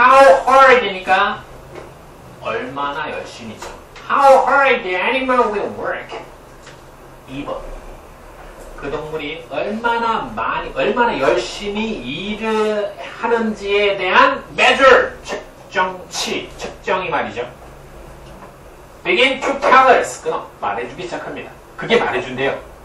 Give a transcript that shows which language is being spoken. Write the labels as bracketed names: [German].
[English] how hard [Korean] 이니까 얼마나 열심히죠. [English] How hard the animal will work? [Korean] 2번. 그 동물이 얼마나 많이, 얼마나 열심히 일을 하는지에 대한 measure, 측정치, 측정이 말이죠. [English] Begin to tell us. [Korean] 그럼 말해주기 시작합니다. 그게 말해준대요.